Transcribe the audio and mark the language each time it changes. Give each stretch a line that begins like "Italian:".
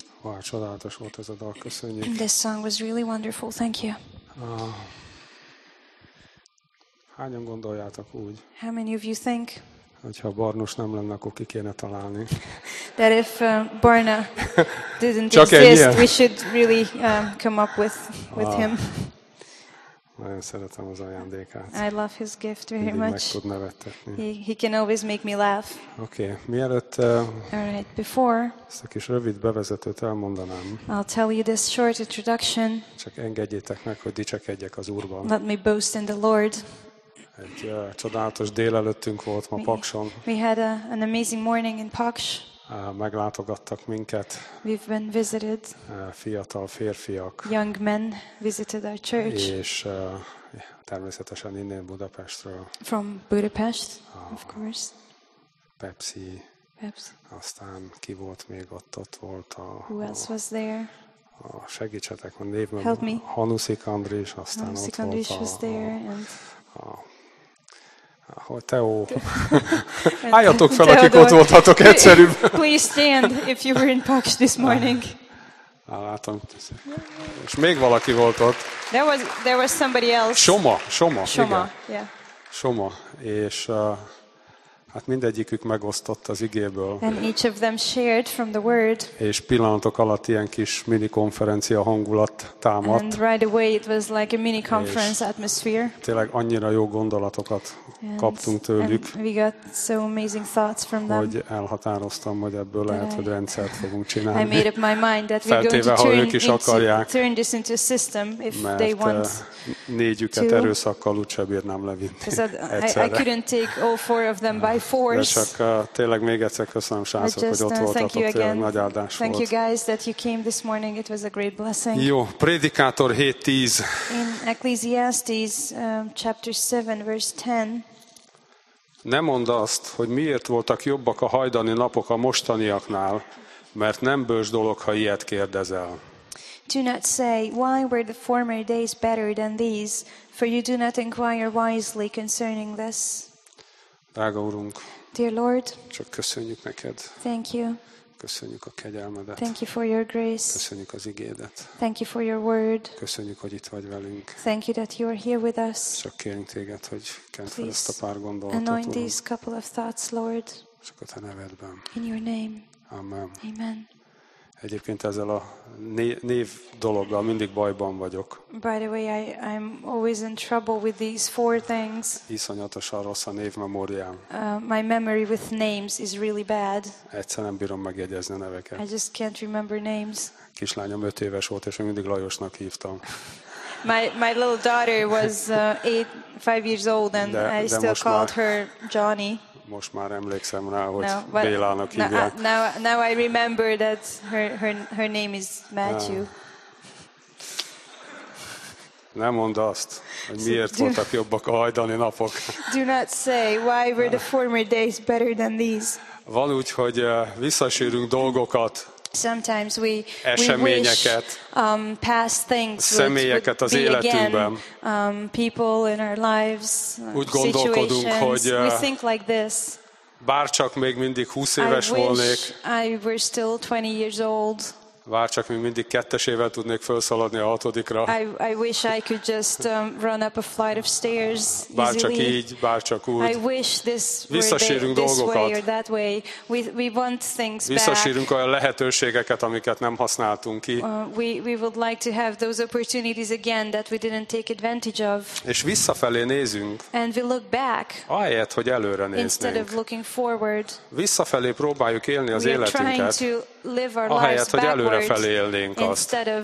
Hungarian: Wow, csodálatos volt ez a dal, köszönjük.
English: This song was really wonderful, thank you.
Hungarian: Hányan gondoljátok úgy?
English: How many of you think?
Hungarian: Hogyha Barnus nem lenne, akkor ki kéne találni.
English: That if Barna didn't exist, we should really come up with him.
Hungarian: Nagyon szeretem az ajándékát.
English: I love his gift very much.
Hungarian: Meg tud nevettetni.
English: He can always make me laugh.
Hungarian: Okay, mielőtt ezt a kis rövid bevezetőt elmondanám.
English: I'll tell you this short introduction.
Hungarian: Csak engedjétek meg, hogy dicsekedjek az Úrban.
English: Let me boast in the Lord.
Hungarian: Egy csodálatos délelőttünk volt ma Pakson.
English: We had an amazing morning in Paks.
Hungarian: Meglátogattak minket.
English: We've been visited.
Hungarian: Fiatal férfiak.
English: Young men visited our church.
Hungarian: És természetesen innen Budapestről.
English: From Budapest, of course.
Hungarian: Pepsi. Aztán ki volt még ott? Ott volt a...
English: Who else was there?
Hungarian: Segítsetek, a névben.
English: Help me.
Hungarian: Hanuszik Andris, aztán Hanuszik ott Andris volt
English: was there,
Hungarian: Teó. Álljatok fel, akik ott voltatok egyszerűbb.
English: Please stand if you were in Paks this morning.
Hungarian: Látom. És még valaki volt ott.
English: There was somebody else.
Hungarian: Soma.
English: Yeah.
Hungarian: Soma. És hát mindegyikük megosztott az igéből.
English: And each of them shared from the word.
Hungarian: És pillanatok alatt ilyen kis mini konferencia hangulat támadt.
English: And right away it was like a mini conference atmosphere.
Hungarian: Tényleg annyira jó gondolatokat kaptunk tőlük.
English: And we got so amazing thoughts from them.
Hungarian: Hogy elhatároztam, hogy ebből lehet, hogy rendszert fogunk csinálni.
English: I made up my mind that we're
Hungarian: feltéve,
English: going to
Hungarian: ők is akarják,
English: turn this into a system if they want.
Hungarian: Négyüket to... erőszakkal úgyse bírnám levinni.
English: I couldn't take all four of them by force.
Hungarian: De csak tényleg még egyszer köszönöm, srácok, hogy ott voltatok. Tényleg nagy áldás volt.
English: Thank you guys that you came this morning. It was a great blessing.
Hungarian: Jó, Prédikátor 7:10.
English: In Ecclesiastes chapter 7 verse 10.
Hungarian: Ne mondd azt, hogy miért voltak jobbak a hajdani napok a mostaniaknál, mert nem bős dolog, ha ilyet kérdezel.
English: Do not say, why were the former days better than these, for you do not inquire wisely concerning this.
Hungarian: Drága Urunk,
English: dear Lord,
Hungarian: csak köszönjük neked.
English: Thank you.
Hungarian: Köszönjük a kegyelmedet.
English: Thank you for your grace.
Hungarian: Köszönjük az igédet.
English: Thank you for your word.
Hungarian: Köszönjük, hogy itt vagy velünk.
English: Thank you that you are here with us.
Hungarian: Csak kérünk téged, hogy kent fel ezt a pár gondolatot, Urunk.
English: Anoint these couple of thoughts, Lord.
Hungarian: Csak a te nevedben.
English: In your name.
Hungarian: Amen.
English: Amen.
Hungarian: Egyébként ezzel a név dologgal mindig bajban vagyok.
English: By the way, I'm always in trouble with these four things.
Hungarian: Iszonyatosan rossz a névmemóriám.
English: My memory with names is really bad.
Hungarian: Egyszer nem bírom megjegyezni a neveket.
English: I just can't remember names.
Hungarian: Kislányom 5 éves volt, és mindig Lajosnak hívtam.
English: My little daughter was 5 years old, and I still called her Johnny.
Hungarian: Most már emlékszem rá, hogy Bélának hívják.
English: Now I remember that her name is Matthew.
Hungarian: Ne mondd azt, hogy miért voltak jobbak a hajdani napok.
English: Do not say, why were the former days better than these?
Hungarian: Van úgy, hogy visszasírunk dolgokat.
English: Sometimes we wish past things would az be
Hungarian: életünkben.
English: Again. People in our lives,
Hungarian: úgy gondolkodunk, hogy
English: we think like this.
Hungarian: Bárcsak még mindig 20 éves volnék.
English: I were still 20 years old.
Hungarian: Bárcsak még mindig 2-es évvel tudnék felszaladni a 6-ra.
English: I wish I could just run up a flight of stairs easily.
Hungarian: Bárcsak így, bárcsak úgy.
English: I wish this
Hungarian: visszasírunk
English: were this way or that way. We want things back.
Hungarian: Visszasírunk olyan lehetőségeket, amiket nem használtunk ki.
English: We would like to have those opportunities again that we didn't take advantage of.
Hungarian: És visszafelé nézünk.
English: And we look back.
Hungarian: Ahelyett, hogy előre néznénk.
English: Instead of looking forward.
Hungarian: Visszafelé próbáljuk élni az életünket. Ahelyett, hogy előrefelé élnénk azt.